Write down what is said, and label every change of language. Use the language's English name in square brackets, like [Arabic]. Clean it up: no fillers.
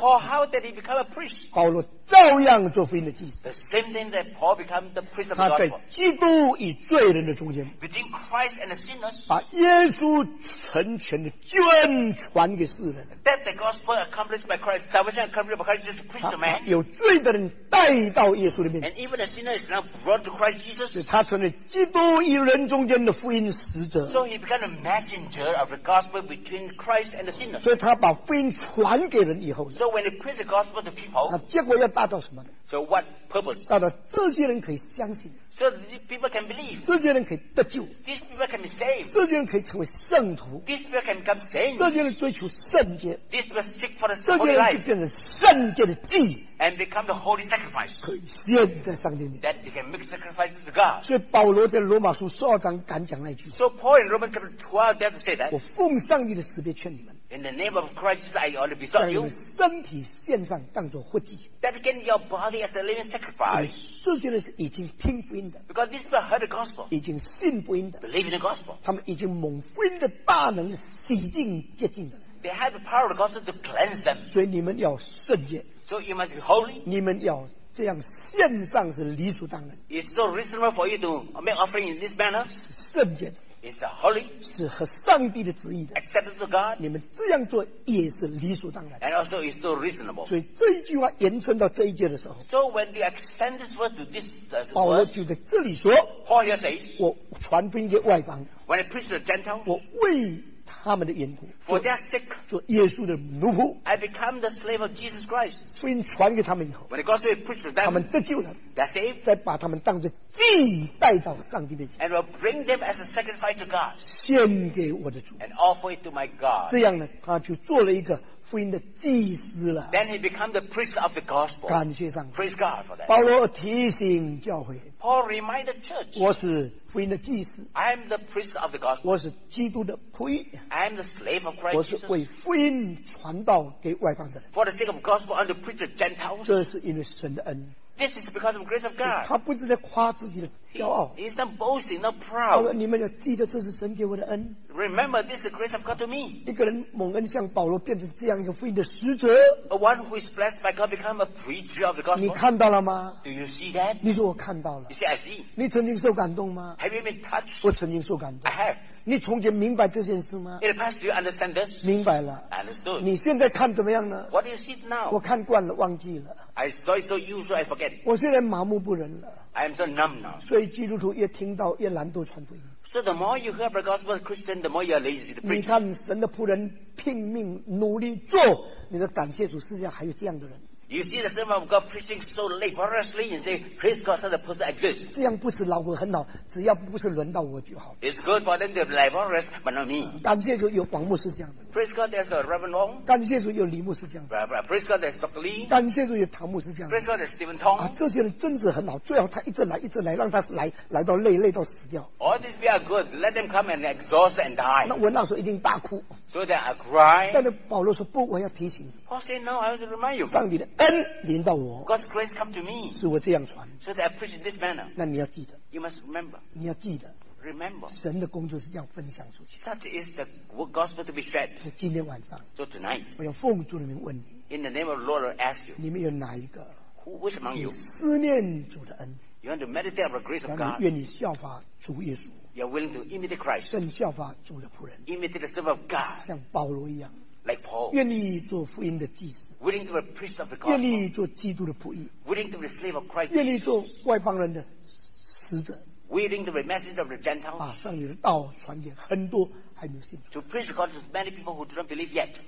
[English] Or how did he become a priest? [Chinese] 保罗照样做福音的祭司。 [English] The same thing that Paul became the priest of the gospel. [Chinese] 他在基督与罪人的中间， [English] between Christ and the sinners, [Chinese] 把耶稣成全的救恩传给世人。 [English] That the gospel accomplished by Christ, salvation accomplished by Christ, is preached to man. [Chinese] 有罪的人带到耶稣里面， [English] and even the sinner is now brought to Christ Jesus. [Chinese] 他成为基督与人中间的福音使者。 [English] So he became a messenger of the gospel between Christ and the sinners. [Chinese] 所以他把福音传给人以后， [English] so when he preached the gospel to people, [Chinese] 那结果要达到什么？ [English] So what purpose? [Chinese] 达到这些人可以相信。 [English] So these people can believe. [Chinese] 这些人可以得救。 [English] These people can be saved. [Chinese] 这些人可以成为圣徒。 [English] These people can become saints. [Chinese] 这些人追求圣洁。 [English] These people seek for the holy life. [Chinese] 这些人就变成圣洁的祭。 [English] and become the holy sacrifice. [Chinese] 可以献在上帝面前。 [English] That they can make sacrifices to God. [Chinese] 所以保罗在罗马书十二章敢讲那句。 [English] So Paul in Romans chapter 12 dare to say that. [Chinese] 我奉上帝的慈悲劝你们。 [English] In the name of Christ, I only besought you. [Chinese] 将你们身体献上，当作活祭。 [English] That again, your body as a living sacrifice. [Chinese] 这些人是已经听福音的。 [English] Because these people heard the gospel. [Chinese] 已经信福音的。 [English] Believe in the gospel. [Chinese] 他们已经蒙福音的大能洗净洁净的。 [English] They have the power of the gospel to cleanse them. [Chinese] 所以你们要圣洁。 [English] So you must be holy. [Chinese] 你们要这样献上是理所当然。 [English] It's so reasonable for you to make offering in this manner. [Chinese] 是圣洁的。 [English] Is holy. [Chinese] 是和上帝的旨意的。 [English] Accepted to God. [Chinese] 你们这样做也是理所当然。 [English] And also it's so reasonable. [Chinese] 所以这一句话延伸到这一节的时候。 [English] So when they extend this word to this verse. [Chinese] 保罗就在这里说。 [English] Paul here says. [Chinese] 我传福音给外邦。 [English] When I preach to the Gentiles. [Chinese] 我为他们的缘故 [English] for their sake, [Chinese] 做耶稣的奴仆 [English] I become the slave of Jesus Christ [Chinese] 福音传给他们以后 [English] when the gospel is preached to them, [Chinese] 他们得救了 [English] they're saved, [Chinese] 再把他们当作祭带到上帝面前 [English] and will bring them as a sacrifice to God [Chinese] 献给我的主 [English] and offer it to my God [Chinese] 这样呢他就做了一个福音的祭司了 [English] then he become the priest of the gospel [Chinese] 感谢上帝 [English] praise God for that [Chinese] 保罗提醒教会 [English] Paul reminded the church [Chinese] 我是福音的祭司 [English] I am the priest of the gospel [Chinese] 我是基督的仆役 [English] I am the slave of Christ [Chinese] 我是为福音传道给外邦的人 [English] for the sake of gospel and to preach to Gentiles [Chinese] 这是因为神的恩 [English] this is because of grace of God [Chinese] 他不是在夸自己的骄傲 [English] he's not boasting not proud [Chinese] 你们要记得这是神给我的恩 [English] remember this is the grace of God to me [Chinese] 一个人蒙恩像保罗变成这样一个福音的使者 [English] a one who is blessed by God become a preacher of the gospel [Chinese] 你看到了吗 [English] do you see that [Chinese] 你说我看到了 [English] you see I see [Chinese] 你曾经受感动吗 [English] Have you been touched? [Chinese] 我曾经受感动。 [English] I have. [Chinese] 你从前明白这件事吗 [English] ？In the past, do you understand this? [Chinese] 明白了。 [English] I understood. [Chinese] 你现在看怎么样呢 [English] ？What do you see now? [Chinese] 我看惯了，忘记了。 [English] I saw it so usual, I forget. [Chinese] 我现在麻木不仁了。 [English] I am so numb now. [Chinese] 所以基督徒越听到越懒惰传福音。 [English] So the more you hear the gospel, Christian, the more you are lazy to preach. [Chinese] 你看神的仆人拼命努力做，你的感谢主，世界上还有这样的人。 [English] You see the servant of God preaching so laboriously and say, praise God, such a person exists. [Chinese] 这样不是劳苦很好，只要不是轮到我就好。 [English] It's good for them to be laborious, but not me. [Chinese] 感谢主有王牧师这样的。 [English] Praise God, there's a Reverend Wong. [Chinese] 感谢主有李牧师这样的。 [English] Praise God, there's Dr. Lee. [Chinese] 感谢主有唐牧师这样的。 [English] Praise God, there's Stephen Tong. [Chinese] 啊，这些人真是很好，最好他一直来，一直来，让他来到累，累到死掉。 [English] All these people are good. Let them come and exhaust and die. [Chinese] 那我那时候一定大哭。 [English] So that I cry. [Chinese] 但是保罗说不，我要提醒。 [English] Paul said, No, I want to remind you. [Chinese] 上帝的。恩临到我 [English] God's grace come to me, [Chinese] 是我这样传 [English] so that I preach in this manner, [Chinese] 那你要记得 [English] you must remember, [Chinese] 你要记得 [English] remember, [Chinese] 神的工作是这样分享出去 [English] such is the gospel to be shared [Chinese] 今天晚上 [English] so tonight, [Chinese] 我要奉主的名问你 [English] in the name of the Lord I ask you [Chinese] 你们有哪一个 [English] which among you [Chinese] 你思念主的恩 [English] you want to meditate on the grace of God 让 [Chinese] 你愿意效法主耶稣 [English] you are willing to imitate Christ [Chinese] 更效法主的仆人 [English] imitate the servant of God [Chinese] 像保罗一样 [English] Like Paul, [Chinese] 愿意做福音的祭司 [English] willing to be a priest of the gospel, [Chinese] 愿意做基督的仆役 [English] willing to be a slave of Christ, [Chinese] 愿意做外邦人的使者 [English] willing to be a messenger of the Gentiles, [Chinese] 把上帝的道传给很多还没有信主 [English] to preach the gospel to many people who do not believe yet,